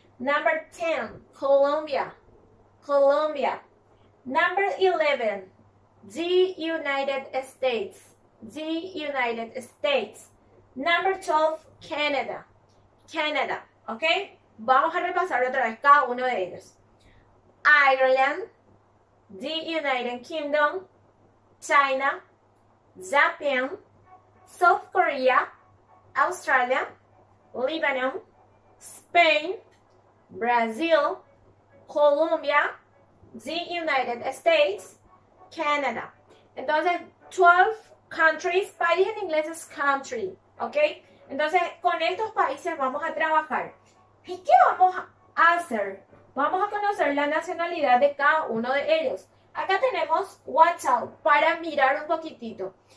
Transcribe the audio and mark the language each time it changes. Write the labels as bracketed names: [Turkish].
[English] Number ten, Colombia. Colombia. Number 11, the United States. The United States. Number 12, Canada. Canada. ¿Ok? [Spanish] Vamos a repasar otra vez cada uno de ellos. [English] Ireland, the United Kingdom, China, Japan, South Korea, Australia, Lebanon, Spain, Brazil, Colombia, the United States, Canada. [Spanish] Entonces, 12 countries, país en inglés es country, ¿ok? Entonces, con estos países vamos a trabajar. ¿Y qué vamos a hacer? Vamos a conocer la nacionalidad de cada uno de ellos. Acá tenemos Watch Out para mirar un poquitito.